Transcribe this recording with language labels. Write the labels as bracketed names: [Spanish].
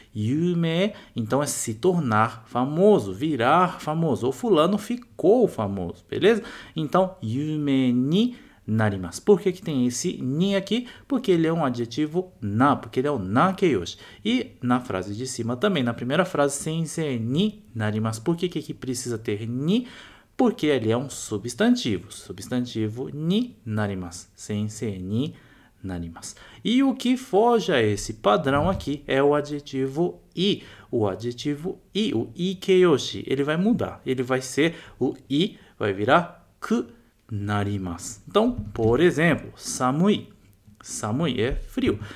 [Portuguese] Yumei, então, é se tornar famoso, virar famoso. Ou fulano ficou famoso, beleza? Então, [Japanese] yumei になります. [Portuguese] Por que, que tem esse ni aqui? Porque ele é um adjetivo na, porque ele é o na keyoshi. E na frase de cima também, na primeira frase, [Japanese] sensei になります. [Portuguese] Por que, que aqui precisa ter ni? Porque ele é um substantivo. Substantivo [Japanese] になります.Sensei になります. [Portuguese] E o que foge a esse padrão aqui é o adjetivo i. O adjetivo i, o ikeyoshi, ele vai mudar. Ele vai ser o i, vai virar くなります. Então, por exemplo, samui. Samui é frio.